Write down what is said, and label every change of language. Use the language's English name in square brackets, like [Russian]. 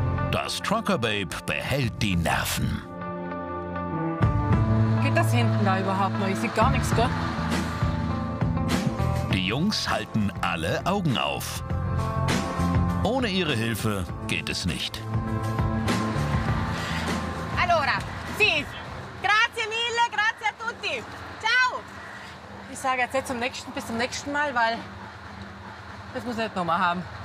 [German] Das Trucker-Babe behält die Nerven. Geht das hinten da überhaupt noch? Ich sehe gar nichts, gell? Die Jungs halten alle Augen auf. Ohne ihre Hilfe geht es nicht. [Italian] Allora, sì. Grazie mille, grazie a tutti. Ciao. [German] Ich sage jetzt zum nächsten, bis zum nächsten Mal, weil das muss ich nicht nochmal haben.